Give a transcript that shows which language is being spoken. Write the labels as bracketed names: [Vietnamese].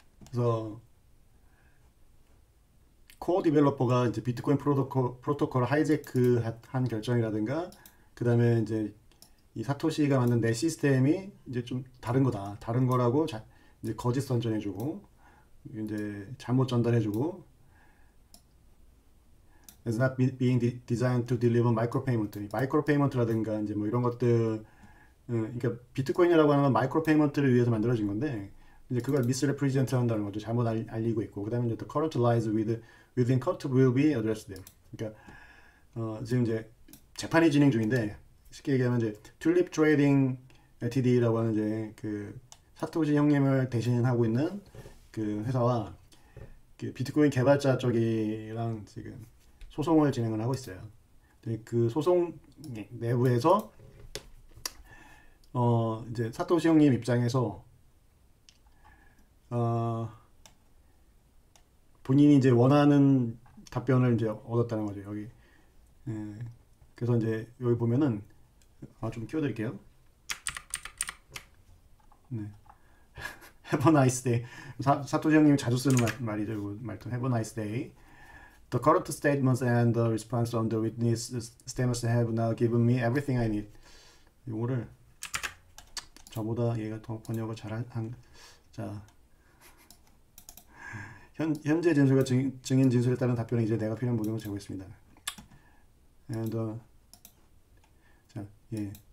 [Korean] 그래서, 코어 디벨로퍼가 이제 비트코인 프로토콜을 하이제크 한 결정이라든가 그 다음에 이제 이 사토시가 만든 내 시스템이 이제 좀 다른 거다 다른 거라고 이제 거짓 선전해 주고 이제 잘못 전달해 주고 It's not being designed to deliver micro payment 마이크로 페이먼트라든가 이제 뭐 이런 것들 그러니까 비트코인이라고 하는 건 마이크로 페이먼트를 위해서 만들어진 건데 이제 그걸 미스레프리젠트 한다는 거죠. 잘못 알리고 있고 그 다음에 이제 The current lies within court will be addressed. 그러니까 지금 이제 재판이 진행 중인데 쉽게 얘기하면 이제 튤립 트레이딩 LTD라고 하는 이제 그 사토시 형님을 대신하고 있는 그 회사와 그 비트코인 개발자 쪽이랑 지금 소송을 진행을 하고 있어요. 그 소송 내부에서 이제 사토시 형님 입장에서 본인이 이제 원하는 답변을 이제 얻었다는 거죠, 여기. 그래서 이제 여기 보면은, 좀 키워드릴게요. [English] 네. Have a nice day. [Korean] 사토시 형님이 자주 쓰는 말이죠, 말투. [English] Have a nice day. The current statements and the response on the witness statements have now given me everything I need. [Korean] 이거를, 저보다 얘가 더 번역을 잘한, 자. 현재 진술과 증인 진술에 따른 답변은 이제 내가 필요한 모든 걸 제공했습니다. And 자, 예.